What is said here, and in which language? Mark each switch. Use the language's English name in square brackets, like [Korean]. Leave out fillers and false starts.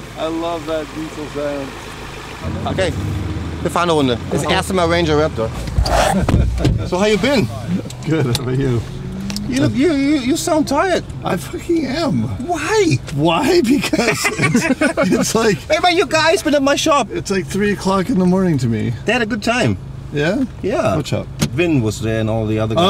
[English] I love that diesel sound. [German] Okay, wir fahren eine Runde. Das erste Mal Ranger Raptor. [English] So, how you been? Good, how are you? You look, you sound tired. I fucking am. Why? Why? Because it's like... Hey, man, you guys been at my shop. It's like 3 o'clock in the morning to me. They had a good time. Yeah? Yeah. Watch out. Vin was there and all the other guys.